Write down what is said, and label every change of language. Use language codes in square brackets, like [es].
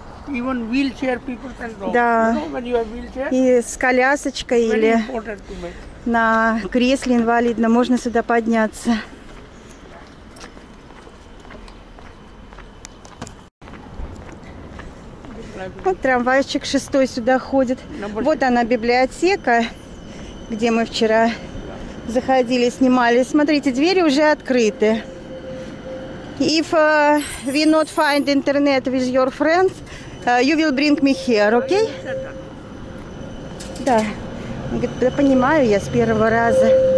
[en] Even wheelchair people can go. [ru] Да. [en] You know, when you have wheelchair? [ru] И с колясочкой [en] Very [ru] или на кресле инвалидном можно сюда подняться. Вот трамвайчик шестой сюда ходит. Number вот она библиотека, где мы вчера заходили, снимали. Смотрите, двери уже открыты. [en] If we not find internet with your friends, you will bring me here, okay? [ru] Да. Говорит, да, понимаю я с первого раза.